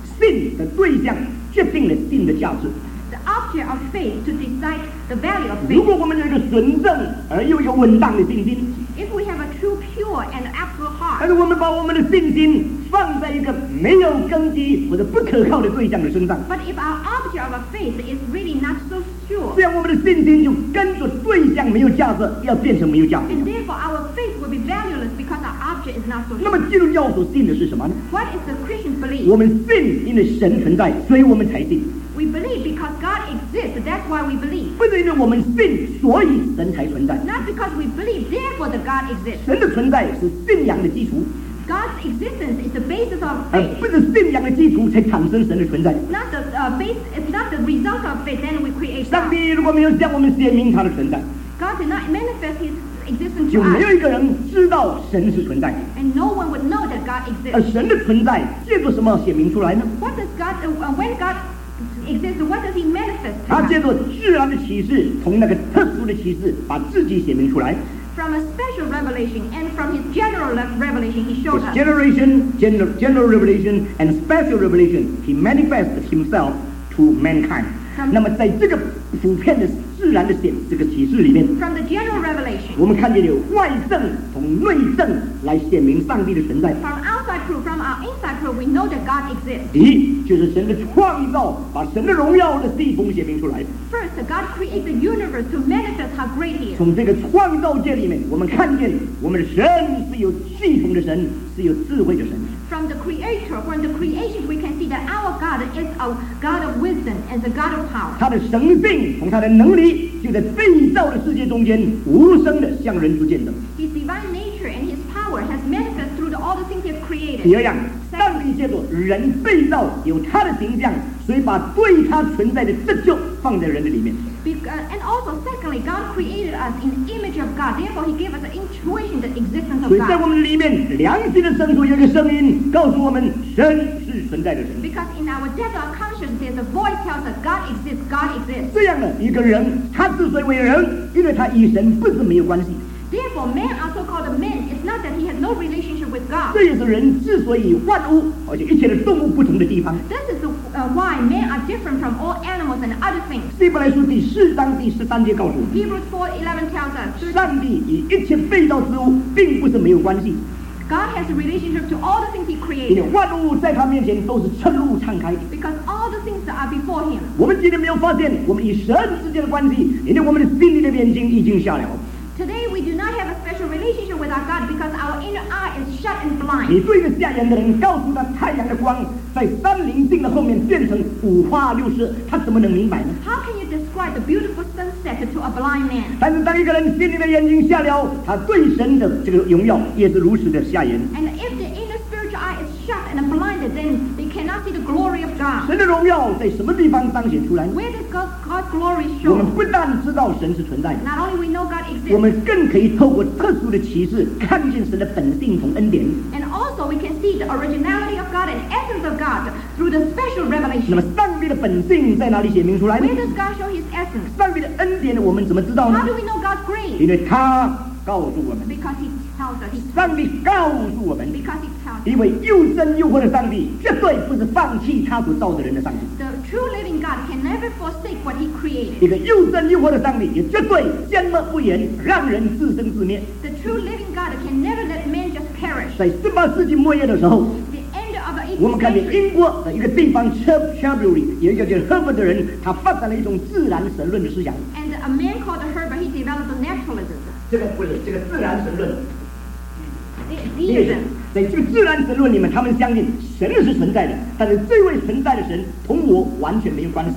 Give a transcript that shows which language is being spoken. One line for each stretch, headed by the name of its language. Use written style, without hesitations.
Chinese: 信的对象，决定了信的价值。
English: Of faith to decide the value of faith.
Chinese: 如果我们有一个纯正而又有稳当的信心，
English: if we have a true, pure, and absolute heart,
Chinese: 但是我们把我们的信心放在一个没有根基或者不可靠的对象的身上，
English: but if our object of faith is really not so sure,
Chinese: 这样我们的信心就跟着对象没有价值，要变成没有价值，
English: and therefore our faith will be valueless because our object is not so sure.
Chinese: 那么基督教所信的是什么呢？
English: What is the Christian's belief?
Chinese: 我们信因为神存在，所以我们才信。
English: We believe because God exists, that's why we believe.
Chinese: 不是因为我们信，所以神才存在。
English: Not because we believe, therefore the God exists.
Chinese: 神的存在是信仰的基础。
English: God's existence is the basis of faith.
Chinese: 不是信仰的基础才产生神的存在。
English: Not the base, it's not the result of faith, then we create God.
Chinese: 上帝如果没有向我们显明他的存在，
English: God did not manifest his existence to
Chinese: 就没有一个人知道神是存在。
English: And no one would know that God exists.
Chinese: 而神的存在借助什么显明出来呢？
English: What does God, when God exists, what does he manifest?
Chinese: 他借着自然的启示，从那个特殊的启示把自己显明出来。
English: From a special revelation and from his general revelation, he showed us. His generation, general revelation and special revelation, he manifested himself to mankind.
Chinese: 那么在这个普遍的自然的显这个启示里面，
English: from the general revelation,
Chinese: 我们看见有外证从内证来显明上帝的存在。
English: From outside proof, from our inside proof, we know that God exists.
Chinese: 第一，就是神的创造，把神的荣耀的地方显明出来。
English: First, God created the universe to manifest how great He is.
Chinese: 从这个创造界里面，我们看见我们的神是有系统的神，是有智慧的神。
English: From the creator, from the creation, we can see that our God is a God of wisdom and a God of power.
Chinese: 他的神性从他的能力就在被造的世界中间无声的向人出现的。
English: His divine nature and his power has manifested through all the things he has created.
Chinese: 第二样，上帝借着人被造有他的形象，所以把对他存在的自救放在人的里面。
English: And also, secondly, God created us in the image of God. Therefore, He gave us an intuition, the existence of God.
Chinese: 所以在我们里面，良心的深处有一个声音告诉我们，神是存在的神。
English: Because in our depth of consciousness, there's a voice tells us God exists. God exists.
Chinese: 这样的一个人，他之所以为人，因为他与神不是没有关系。
English: Therefore, man are so called a man. It's not that he has no relationship with God.
Chinese: 这也是人之所以万物而且一切的动物不同的地方。
English: This is why men are different from all animals and other things.
Chinese: 希伯来书第四章第十三节告诉我们。
English: Hebrews 4:11 tells us.
Chinese: 上帝与一切被造之物并不是没有关系。
English: God has a relationship to all the things He created.
Chinese: 万物在他面前都是赤露敞开。
English: Because all the things are before Him.
Chinese: 我们今天没有发现我们与神之间的关系，因为我们的心里的眼睛已经瞎了。
English: Today we do not have a special relationship with our God because our inner eye is shut and blind.
Chinese: 你对着瞎眼的人告诉他，太阳的光在三棱镜的后面变成五花六色，他怎么能明白呢？
English: How can you describe the beautiful sunset to a blind man?
Chinese: 但是当一个人心里的眼睛瞎了，他对神的这个荣耀也是如此的瞎眼。
English: And if the inner spiritual eye is shut and blinded, then they cannot see the glory of God.
Chinese: 神的荣耀在什么地方彰显出来？
English: Where does God's glory show?
Chinese: 我们不但知道神是存在的，
English: Not only we know God exists,
Chinese: 我们更可以透过特殊的启示看见神的本性和恩典。
English: And also we can see the originality of God and essence of God through the special revelation.
Chinese: 那么上帝的本性在哪里显明出来呢？
English: Where does God show His essence?
Chinese: 上帝的恩典我们怎么知道呢？
English: How do we know God's grace?
Chinese: 因为他告诉我们。
English: Because He
Chinese: 上帝告诉我们，
English: us,
Chinese: 因为又真又活的上帝绝对不是放弃他所造的人的上帝。
English: The true living God can never forsake what He created.
Chinese: 一个又真又活的上帝也绝对缄默不言，让人自生自灭。
English: The true living God can never let man just perish.
Chinese: 在十八世纪末叶的时候，
English: the end of
Chinese: 我们看见英国的一个地方 Shrewsbury 有一个叫 Herbert 的人，他发展了一种自然神论的思想。
English: And a man called Herbert, he developed a naturalism.
Chinese: 这个不是这个自然神论。
English: Yes,
Chinese: 在这个自然神论里面，他们相信神是存在的，但是这位存在的神同我完全没有关系。